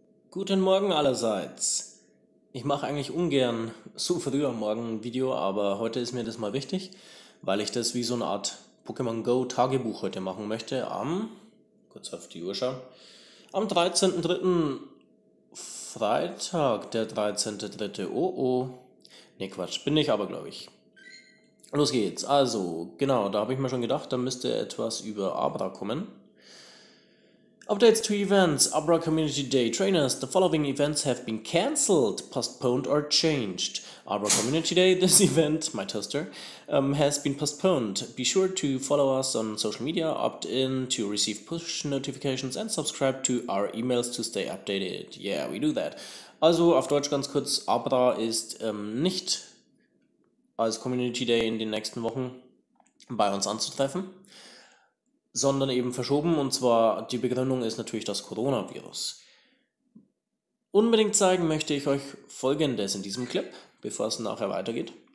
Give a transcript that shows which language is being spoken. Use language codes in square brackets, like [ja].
[de] Guten Morgen allerseits. Ich mache eigentlich ungern so früh am Morgen ein Video, aber heute ist mir das mal wichtig, weil ich das wie so eine Art Pokémon Go Tagebuch heute machen möchte. Kurz auf die Uhr schauen. Am 13.3. Freitag, der 13.3. Oh. Nee, Quatsch, bin ich aber, glaube ich. Los geht's. Also, genau, da habe ich mir schon gedacht, da müsste etwas über Abra kommen. [en] Updates to events. Abra Community Day. Trainers, the following events have been cancelled, postponed or changed. Abra Community Day, this event, my toaster, has been postponed. Be sure to follow us on social media, opt in to receive push notifications and subscribe to our emails to stay updated. Yeah, we do that. [de] Also auf Deutsch ganz kurz, Abra ist nicht als Community Day in den nächsten Wochen bei uns anzutreffen, sondern eben verschoben, und zwar die Begründung ist natürlich das Coronavirus. Unbedingt zeigen möchte ich euch Folgendes in diesem Clip, bevor es nachher weitergeht.